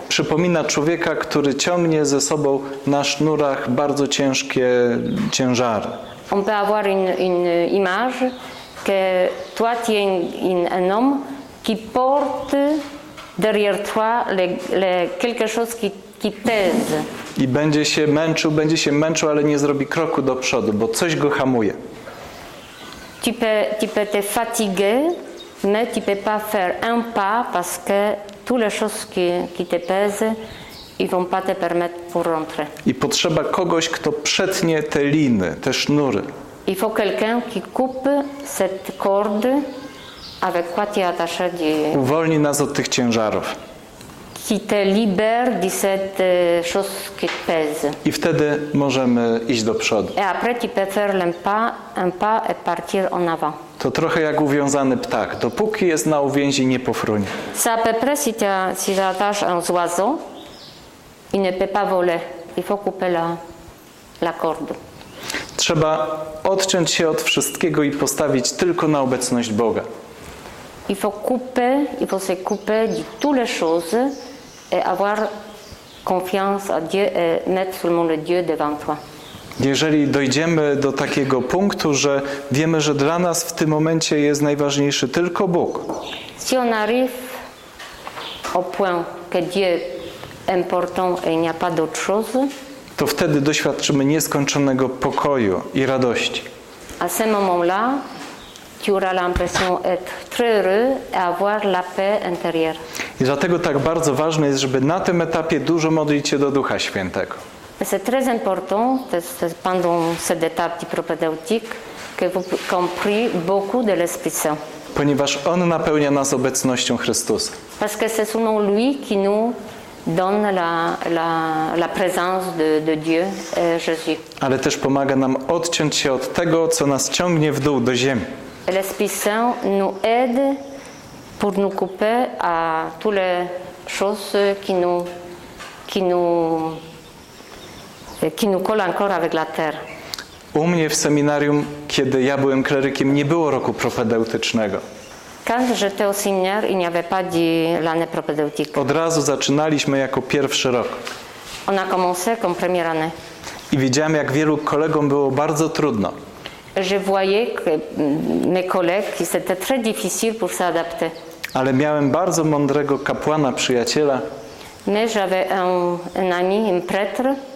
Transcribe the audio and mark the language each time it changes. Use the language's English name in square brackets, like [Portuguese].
[Polish] Przypomina człowieka, który ciągnie ze sobą na sznurach bardzo ciężkie ciężary. [French] On peut avoir une image que toi tu es un homme qui porte derrière toi quelque chose qui pèse. [Polish] I będzie się męczył, ale nie zrobi kroku do przodu, bo coś go hamuje. [French] Tu peux te fatiguer, mais tu peux pas faire un pas parce que toutes les choses qui te pèsent, ils vont pas te permettre pour rentrer. [Polish] I potrzeba kogoś, kto przetnie te liny, te sznury. [French] Il faut quelqu'un qui coupe cette corde avec quoi tu es attaché. [Polish] Uwolni nas od tych ciężarów. [French] Qui te libère de cette chose qui pèse. [Polish] I wtedy możemy iść do przodu. [French] Et après tu peux faire un pas et partir en avant. [Polish] To trochę jak uwiązany ptak. Dopóki jest na uwięzi, nie pofruń. [French] C'est à peu près si tu attaches un oiseau, il ne peut pas voler. Il faut couper la corde. [Polish] Trzeba odciąć się od wszystkiego i postawić tylko na obecność Boga. [French] Il faut couper, il faut se couper de toutes les choses et avoir confiance à Dieu et mettre seulement le Dieu devant toi. [Polish] Jeżeli dojdziemy do takiego punktu, że wiemy, że dla nas w tym momencie jest najważniejszy tylko Bóg. [French] Si on arrive au point que Dieu est important et il n'y a pas d'autre chose, [Polish] to wtedy doświadczymy nieskończonego pokoju i radości. [French] À ce moment-là, tu auras l'impression d'être très heureux et avoir la paix intérieure. [Polish] I dlatego tak bardzo ważne jest, żeby na tym etapie dużo modlić się do Ducha Świętego. [French] C'est très important, pendant cette étape du propédeutique, que vous compreniez beaucoup de l'Esprit Saint. [Polish] Ponieważ On napełnia nas obecnością Chrystusa. [French] Parce que c'est seulement Lui qui nous donne la présence de Dieu et Jésus. [Polish] Ale też pomaga nam odciąć się od tego, co nas ciągnie w dół, do ziemi. [French] L'Esprit Saint nous aide pour nous couper à toutes les choses qui nous collent encore avec la terre. [Polish] U mnie w seminarium, kiedy ja byłem klerykiem, nie było roku propedeutycznego. [French] Quand j'étais au séminaire, il n'y avait pas dit l'année propédeutique. [Polish] Od razu zaczynaliśmy jako pierwszy rok. [French] On a commencé comme première année. [Polish] I widziałem, jak wielu kolegom było bardzo trudno. [French] Je voyais que mes collègues, qui c'était très difficile pour s'adapter. [Polish] Ale miałem bardzo mądrego kapłana, przyjaciela. [French] Mais j'avais un ami, un prêtre.